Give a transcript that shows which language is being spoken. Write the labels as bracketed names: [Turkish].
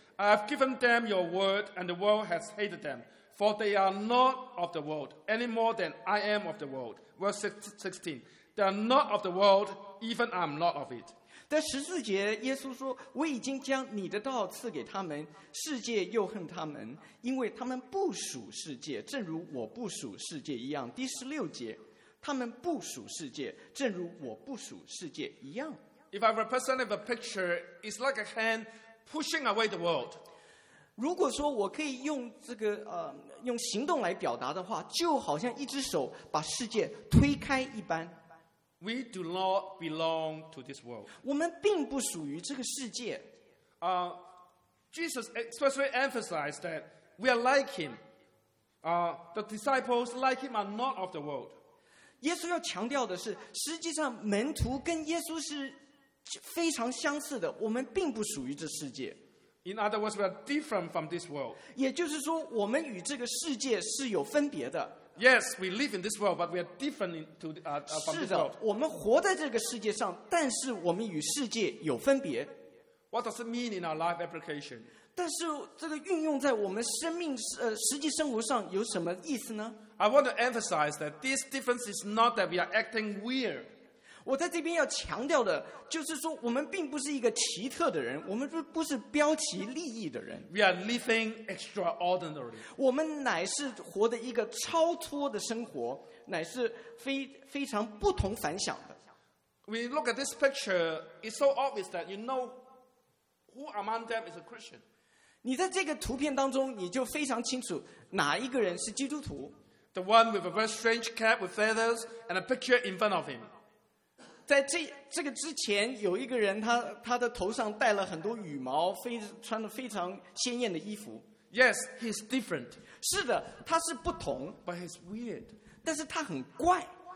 [English] I have given them your word, and the world has hated them, for they are not of the world any more than I am of the world. Verse 16. They are not of the world, even I'm not of it. [Chinese] 在十四节，耶稣说：“我已经将你的道赐给他们，世界又恨他们，因为他们不属世界，正如我不属世界一样。” 第十六节，他们不属世界，正如我不属世界一样。 [English] If I represent the picture, it's like a hand pushing away the world. [Chinese] 如果说我可以用这个用行动来表达的话，就好像一只手把世界推开一般。 [English] We do not belong to this world. [Chinese] 我们并不属于这个世界。 [English] Jesus especially emphasized that we are like him. The disciples like him are not of the world. [Chinese] 耶稣要强调的是，实际上门徒跟耶稣是非常相似的，我们并不属于这世界。 [English] In other words, we are different from this world. [Chinese] 也就是说，我们与这个世界是有分别的。 [English] Yes, we live in this world, but we are different from this world. [Chinese] 是的，我们活在这个世界上，但是我们与世界有分别。 [English] What does it mean in our life application? [Chinese] 但是这个运用在我们生命实际生活上有什么意思呢？ [English] I want to emphasize that this difference is not that we are acting weird. [Chinese] 我在这边要强调的就是说，我们并不是一个奇特的人，我们不是标奇立异的人。 [English] We are living extraordinary. [Chinese] 我们乃是活的一个超脱的生活，乃是非常不同凡响的。 [English] We look at this picture, it's so obvious that you know who among them is a Christian. [Chinese] 你在这个图片当中，你就非常清楚哪一个人是基督徒。 [English] The one with a very strange cap with feathers and a picture in front of him. [Chinese] 在 这个之前有一个人 他的头上戴了很多羽毛穿了非常鲜艳的衣服。 [English] Yes, he's different. [Chinese] 是的，他是不同。 [English] But he's weird. [Chinese] 但是他很怪。